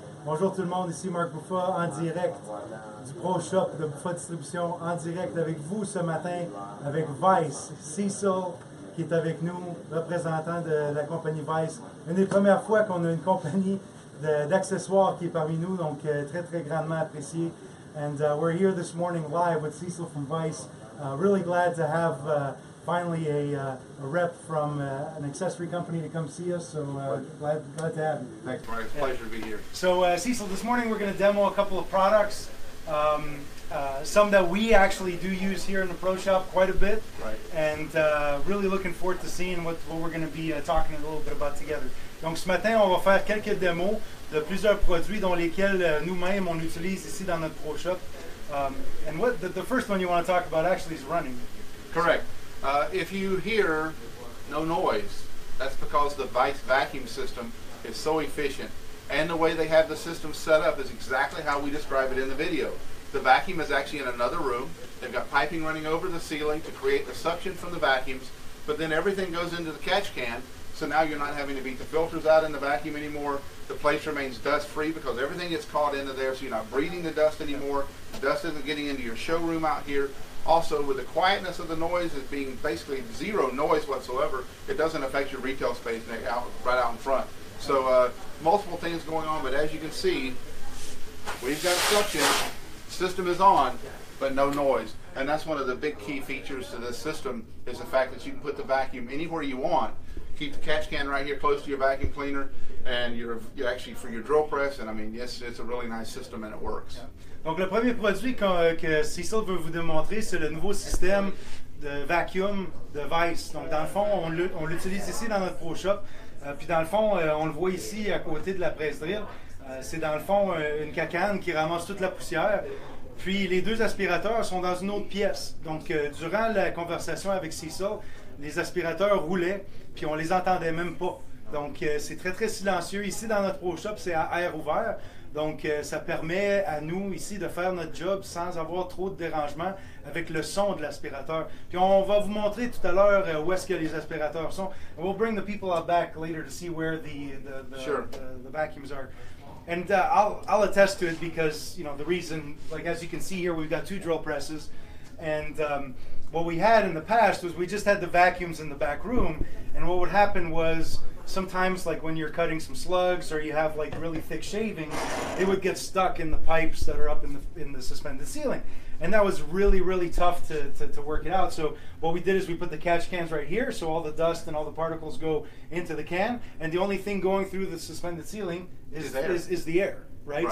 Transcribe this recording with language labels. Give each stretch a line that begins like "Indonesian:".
French: Bonjour tout le monde, ici Marc Bouffe en direct du Pro Shop de Bouffe Distribution, en direct avec vous ce matin, avec Vise, Cecil, qui est avec nous, représentant de la compagnie Vise. Une des premières fois qu'on a une compagnie d'accessoires qui est parmi nous, donc très, très grandement apprécié.
English: And we're here this morning live with Cecil from Vise. Really glad to have finally a rep from an accessory company to come see us, so glad to have you. Thanks, Mark. It's a pleasure to be here. So, Cecil, this morning we're going to demo a couple of products, some that we actually do use here in the Pro Shop quite a bit, right. And really looking forward to seeing what we're going to be talking a little bit about together.
French: Donc, ce matin, on va faire quelques démos de plusieurs produits dont lesquels nous-mêmes on utilise ici dans notre Pro Shop.
English: And what the first one you want to talk about actually is running. Correct. If you hear no noise, that's because the Vise vacuum system is so efficient, and the way they have the system set up is exactly how we describe it in the video. The vacuum is actually in another room. They've got piping running over the ceiling to create the suction from the vacuums, but then everything goes into the catch can, so now you're not having to beat the filters out in the vacuum anymore. The place remains dust-free because everything gets caught into there, so you're not breathing the dust anymore. The dust isn't getting into your showroom out here. Also, with the quietness of the noise as being basically zero noise whatsoever, it doesn't affect your retail space right out in front. So multiple things going on, but as you can see, we've got suction, system is on, but no noise. And that's one of the big key features to this system is the fact that you can put the vacuum anywhere you want. Keep the catch can right here close to your vacuum cleaner and you're actually for your drill press, and I mean, yes, it's a really nice system and it works. Yeah.
French: Donc le premier produit que Cecil veut vous démontrer, c'est le nouveau système de vacuum de Vise. Donc dans le fond, on l'utilise ici dans notre Pro Shop. Puis dans le fond, on le voit ici à côté de la presse drill. C'est dans le fond une cacane qui ramasse toute la poussière. Puis les deux aspirateurs sont dans une autre pièce. Donc durant la conversation avec Cecil, les aspirateurs roulaient, puis on les entendait même pas. Donc c'est très très silencieux. Ici dans notre Pro Shop, c'est à air ouvert. Donc, ça permet à nous ici de faire notre job sans avoir trop de dérangements avec le son de l'aspirateur. Puis on va vous montrer tout à l'heure où est-ce que les aspirateurs sont.
English: And we'll bring the people out back later to see where the vacuums are. And I'll attest to it because, you know, the reason, like as you can see here, we've got two drill presses. And what we had in the past was we just had the vacuums in the back room. And what would happen was, sometimes, like when you're cutting some slugs or you have like really thick shavings, they would get stuck in the pipes that are up in the suspended ceiling, and that was really really tough to work it out. So what we did is we put the catch cans right here, so all the dust and all the particles go into the can, and the only thing going through the suspended ceiling is the air, right?